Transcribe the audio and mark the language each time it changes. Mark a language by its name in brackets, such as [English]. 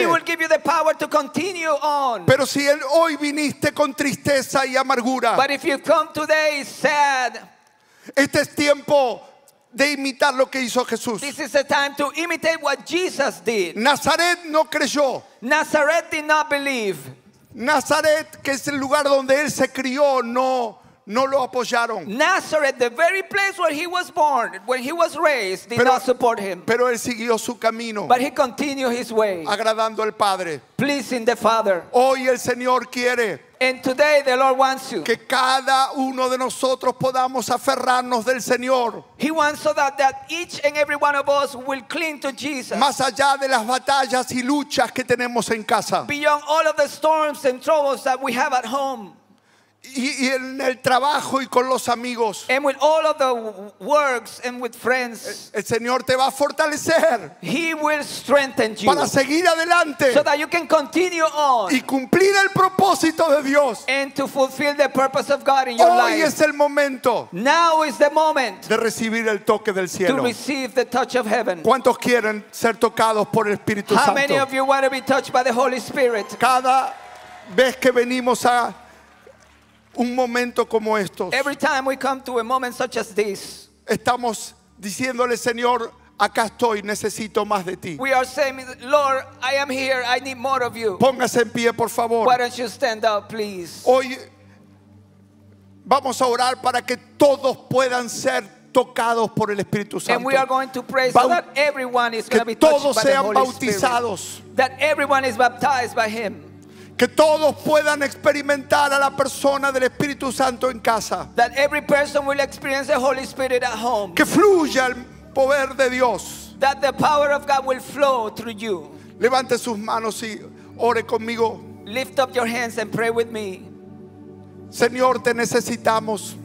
[English] He will give you the power to continue on. [Spanish] Pero si hoy viniste con tristeza y amargura. [English] But if you come today sad. [Spanish] Este es tiempo de imitar lo que hizo Jesús. [English] This is the time to imitate what Jesus did. [Spanish] Nazaret no creyó. [English] Nazareth did not believe. [Spanish] Nazaret, que es el lugar donde él se crió, no lo apoyaron. [English] Nazareth, the very place where he was born, when he was raised, did not support him. [Spanish] Pero él siguió su camino. [English] But he continued his way. [Spanish] Agradando al Padre. [English] Pleasing the Father. [Spanish] Hoy el Señor quiere. [English] And today the Lord wants you. [Spanish] Que cada uno de nosotros podamos aferrarnos del Señor. [English] He wants so that each and every one of us will cling to Jesus. [Spanish] Más allá de las batallas y luchas que tenemos en casa. [English] Beyond all of the storms and troubles that we have at home. [Spanish] y en el trabajo y con los amigos. [English] And with all of the works and with friends. [Spanish] El Señor te va a fortalecer. [English] He will strengthen you. [Spanish] Para seguir adelante. [English] So that you can continue on. [Spanish] Y cumplir el propósito de Dios. [English] And to fulfill the purpose of God in your [Spanish] Hoy Hoy es el momento. [English] Now is the moment. [Spanish] De recibir el toque del cielo. [English] To receive the touch of heaven. [Spanish] ¿Cuántos quieren ser tocados por el Espíritu Santo? [English] How many of you want to be touched by the Holy Spirit? [Spanish] Cada vez que venimos a un momento como estos, [English] every time we come to a moment such as this, [Spanish] estamos diciéndole, Señor, acá estoy, necesito más de ti. [English] We are saying, Lord, I am here, I need more of you. [Spanish] Póngase en pie, por favor. [English] Why don't you stand up, please? [Spanish] Hoy vamos a orar para que todos puedan ser tocados por el Espíritu Santo. [English] And we are going to pray so that everyone is going to be touched by the Holy Spirit. That everyone is baptized by him. [Spanish] Que todos puedan experimentar a la persona del Espíritu Santo en casa. [English] That every person will experience the Holy Spirit at home. [Spanish] Que fluya el poder de Dios. [English] That the power of God will flow through you. [Spanish] Levante sus manos y ore conmigo. [English] Lift up your hands and pray with me. [Spanish] Señor, te necesitamos.